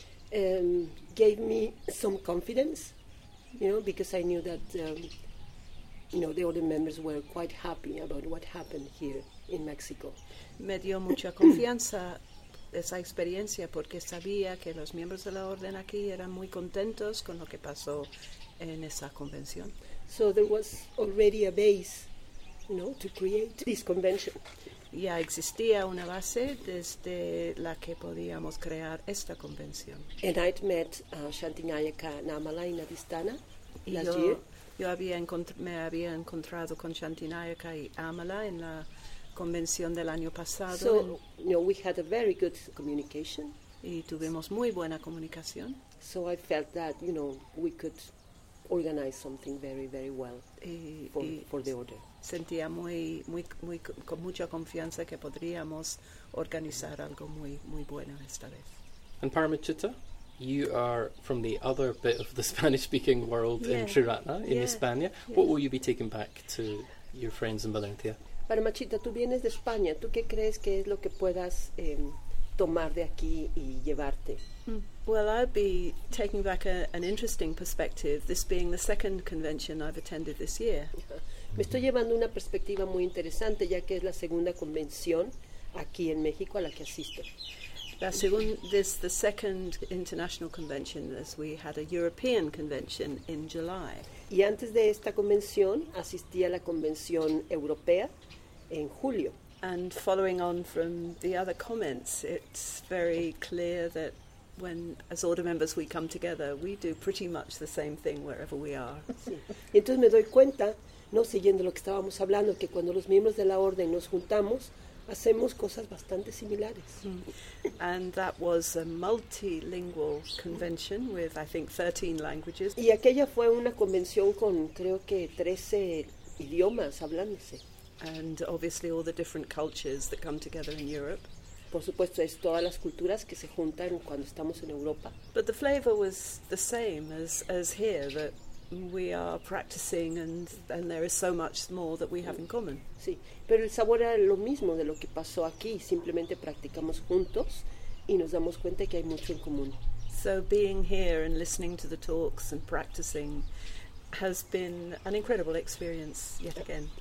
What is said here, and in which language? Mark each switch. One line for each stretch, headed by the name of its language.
English: gave me some confidence, you know, because I knew that the other members were quite happy about what happened here in Mexico.
Spanish: Me dio mucha confianza esa experiencia porque sabía que los miembros de la orden aquí eran muy contentos con lo que pasó en esa convención.
English: So there was already a base, you know, to create this convention.
Spanish: Ya existía una base desde la que podíamos crear esta convención.
English: And I'd met Shanti Nayaka Namala in Adistana last
Spanish: yo,
English: year.
Spanish: Me había encontrado con Shanti Nayaka y Amala en la convención del año pasado.
English: So, we had a very good communication.
Spanish: Y tuvimos muy buena comunicación.
English: So I felt that, you know, we could organize something very, very well for the order.
Spanish: Sentía muy con mucha confianza que podríamos organizar algo muy, muy bueno esta vez.
English: And Paramechitta, you are from the other bit of the Spanish-speaking world in Triratna, in España. Yes. What will you be taking back to your friends in Valencia?
Spanish: Paramechitta, tú vienes de España. ¿Tú qué crees que es lo que puedas tomar de aquí y llevarte?
English: Well, I'd be taking back an interesting perspective, this being the second convention I've attended this year.
Spanish: Me estoy llevando una perspectiva muy interesante, ya que es la segunda convención aquí en México a la que asisto.
English: The second international convention, as we had a European convention in July.
Spanish: Y antes de esta convención, asistí a la convención europea en julio.
English: And following on from the other comments, it's very clear that when, as order members, we come together, we do pretty much the same thing wherever we are.
Spanish: Sí. Entonces me doy cuenta, no siguiendo lo que estábamos hablando, que cuando los miembros de la orden nos juntamos, hacemos cosas bastante similares. Mm.
English: And that was a multilingual convention with, I think, 13 languages.
Spanish: Y aquella fue una convención con, creo que, 13 idiomas hablándose.
English: And obviously all the different cultures that come together in Europe.
Spanish: Por supuesto, es todas las culturas que se juntan cuando estamos en Europa.
English: But the flavor was the same as here, that we are practicing and there is so much more that we have in common.
Spanish: Sí, pero el sabor era lo mismo de lo que pasó aquí. Simplemente practicamos juntos y nos damos cuenta que hay mucho en común.
English: So being here and listening to the talks and practicing has been an incredible experience yet again.